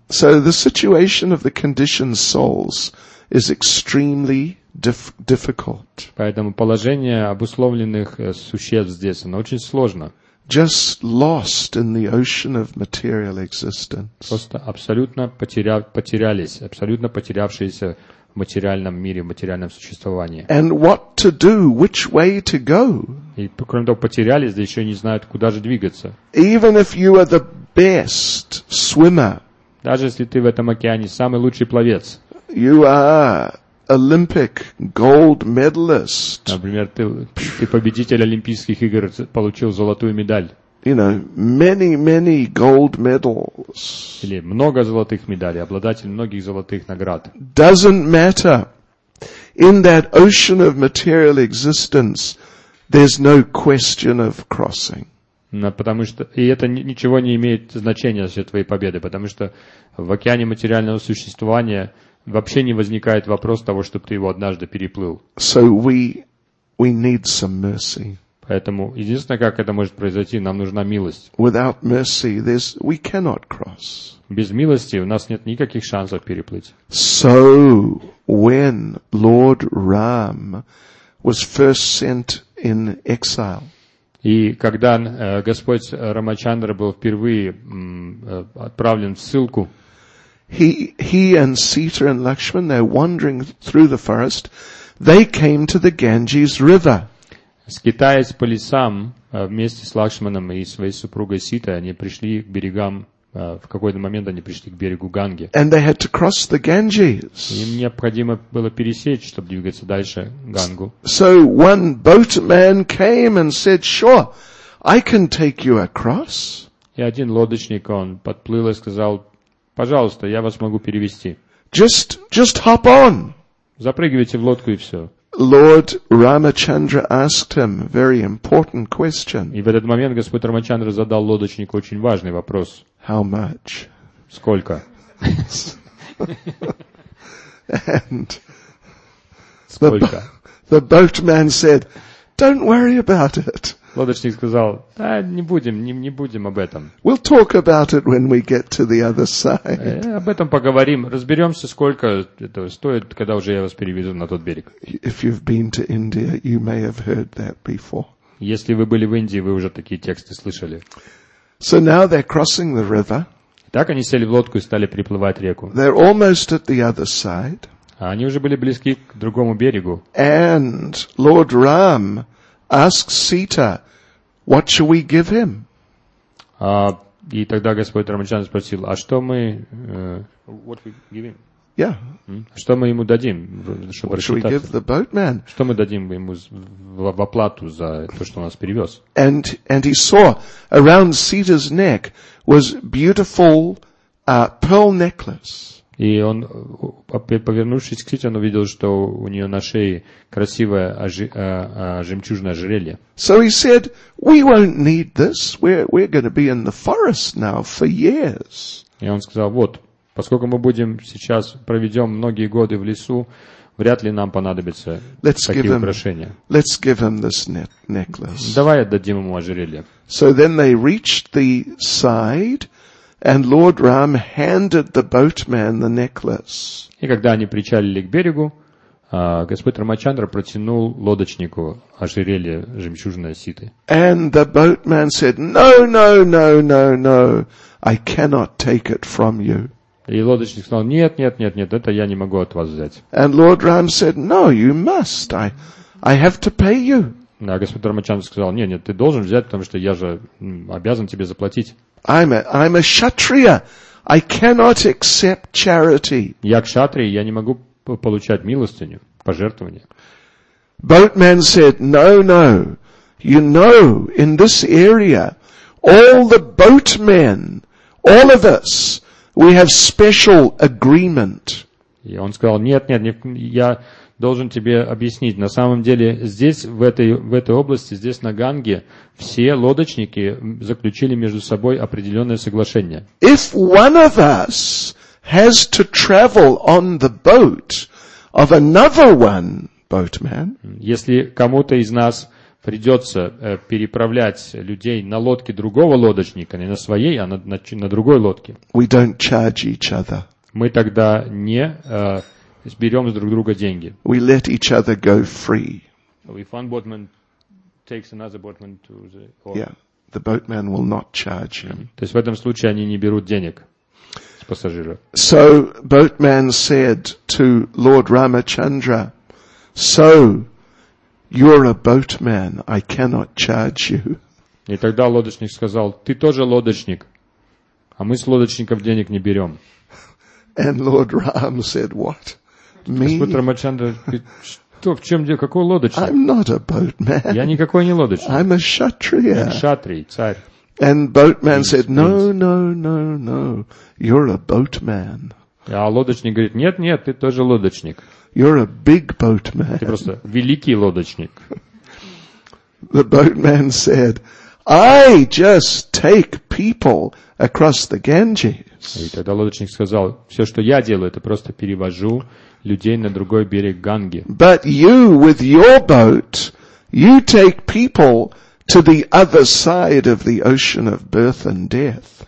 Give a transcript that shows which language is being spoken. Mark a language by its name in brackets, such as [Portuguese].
[English] So the situation of the conditioned souls is extremely difficult. [Russian] Поэтому положение обусловленных существ здесь, оно очень сложно. [English] Just lost in the ocean of material existence. [Russian] Просто абсолютно потерялись, абсолютно потерявшиеся в материальном мире, в материальном существовании. [English] And what to do, which way to go? [Russian] И кроме того, потерялись, да еще не знают, куда же двигаться. [English] Even if you are the best swimmer. [Russian] Даже если ты в этом океане самый лучший пловец. [English] You are Olympic gold medalist. [Russian] Например, ты победитель Олимпийских игр, получил золотую медаль. [English] You know, many gold medals. [Russian] Или много золотых медалей, обладатель многих золотых наград. [English] Doesn't matter. In that ocean of material existence, there's no question of crossing. [Russian] Потому что и это ничего не имеет значения за твои победы, потому что в океане материального существования вообще не возникает вопрос того, чтобы ты его однажды переплыл. [English] So we need some mercy. [Russian] Поэтому единственное, как это может произойти, нам нужна милость. [English] Without mercy, we cannot cross. [Russian] Без милости у нас нет никаких шансов переплыть. [English] So when Lord Ram was first sent in exile. [Russian] И когда Господь Рамачандра был впервые отправлен в ссылку. [English] He and Sita and Lakshman, they're wandering through the forest. They came to the Ganges River. [Russian] Скитаясь по лесам вместе с Лакшманом и своей супругой Ситой, они пришли к берегам. В какой-то момент они пришли к берегу Ганги. [English] And they had to cross the Ganges. [Russian] Им необходимо было пересечь, чтобы двигаться дальше Гангу. [English] So one boatman came and said, "Sure, I can take you across." [Russian] И один лодочник он подплыл и сказал. Пожалуйста, я вас могу перевести. [English] Just hop on. [Russian] Запрыгивайте в лодку и все. [English] Lord Ramachandra asked him very important question. [Russian] И в этот момент Господь Рамачандра задал лодочнику очень важный вопрос. [English] How much? [Russian] Сколько? [English] And [Russian] сколько? [English] The boatman said, "Don't worry about it." [Russian] Лодочник сказал, да, не будем об этом. [English] We'll talk about it when we get to the other side. [Russian] Об этом поговорим, разберемся, сколько это стоит, когда уже я вас перевезу на тот берег. [English] If you've been to India, you may have heard that before. [Russian] Если вы были в Индии, вы уже такие тексты слышали. [English] So now they're crossing the river. [Russian] Так они сели в лодку и стали переплывать реку. [English] They're almost at the other side. [Russian] А они уже были близки к другому берегу. [English] And Lord Ram asks Sita, "What shall we give him?" [Russian] И тогда Господь Рамачандра спросил, "А что мы?" [English] What we give him? Yeah. [Russian] Что мы ему дадим, чтобы [English] What shall we give the boatman? [Russian] Что мы дадим ему в оплату за то, что он нас перевез? [English] And he saw around Sita's neck was beautiful pearl necklace. [Russian] И он, повернувшись к Сите, он увидел, что у нее на шее красивое жемчужное ожерелье. [English] So he said, "We won't need this. We're going to be in the forest now for years." [Russian] И он сказал, вот, поскольку мы будем сейчас проведем многие годы в лесу, вряд ли нам понадобятся такие украшения. [English] Let's give him this necklace. [Russian] Давай отдадим ему ожерелье. [English] So then they reached the side. And Lord Ram handed the boatman the necklace. [Russian] И когда они причалили к берегу, Господь Рамачандра протянул лодочнику ожерелье жемчужной Ситы. [English] And the boatman said, "No, no, no, no, no, I cannot take it from you." [Russian] И лодочник сказал, "Нет, нет, нет, нет, это я не могу от вас взять." [English] And Lord Ram said, "No, you must. I have to pay you." [Russian] А Господь Рамачандра сказал, "Нет, нет, ты должен взять, потому что я же обязан тебе заплатить." [English] I'm a kshatriya. I cannot accept charity. [Russian] Я кшатрия, я не могу получать милостыню, пожертвование. [English] Boatman said, "No, no. You know, in this area, all the boatmen, all of us, we have special agreement." [Russian] И он сказал, "Нет, нет, нет, я должен тебе объяснить. На самом деле, здесь, в этой области, здесь на Ганге, все лодочники заключили между собой определенное соглашение. [English] If one of us has to travel on the boat of another one boatman, [Russian] если кому-то из нас придется переправлять людей на лодке другого лодочника, не на своей, а на другой лодке, [English] we don't charge each other. [Russian] Мы тогда не берем с друг друга деньги. [English] We let each other go free. If one boatman takes another boatman to the port, yeah, the boatman will not charge him. [Russian] То есть в этом случае они не берут денег с пассажира. [English] So boatman said to Lord Ramachandra, so you're a boatman, I cannot charge you. [Russian] И тогда лодочник сказал, ты тоже лодочник, а мы с лодочников денег не берем. [English] And Lord Ram said, what? Me? [Russian] Господь Рамачандра говорит, что, в чем дело, какой лодочник? [English] I'm not a boatman. [Russian] Я никакой не лодочник. [English] I'm a kshatriya. [Russian] Я кшатрий, царь. [English] And boatman said, no, you're a boatman. [Russian] А лодочник говорит, нет, ты тоже лодочник. [English] You're a big boatman. [Russian] Ты просто великий лодочник. [English] The boatman said, I just take people across the Ganges. [Russian] И тогда лодочник сказал, все, что я делаю, это просто перевожу людей на другой берег Ганги. [English] But you, with your boat, you take people to the other side of the ocean of birth and death.